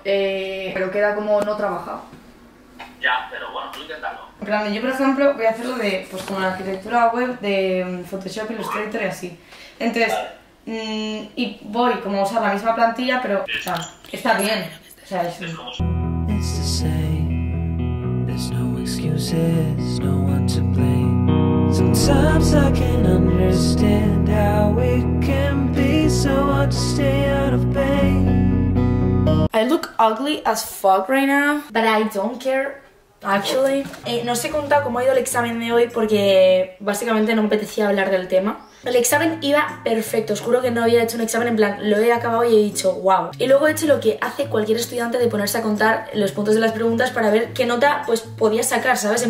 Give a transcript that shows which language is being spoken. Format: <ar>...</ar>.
<es>Pero queda como no trabajado. Ya, pero bueno, tú intentarlo. En plan, yo, por ejemplo, voy a hacerlo de, pues, como la arquitectura web de Photoshop, Illustrator y así. Entonces, Y voy como a usar la misma plantilla, pero o sea, está bien. O sea, es</es> <en>the same. There's no excuses, no one to blame. Sometimes I can understand how it can be so hard to stay out of pain. I look ugly as fuck right now, but I don't care. Actually,</en> <es>no os he contado cómo ha ido el examen de hoy porque básicamente no me apetecía hablar del tema. El examen iba perfecto, os juro que no había hecho un examen, en plan, lo he acabado y he dicho wow. Y luego he hecho lo que hace cualquier estudiante de ponerse a contar los puntos de las preguntas para ver qué nota pues podía sacar, ¿sabes?</es>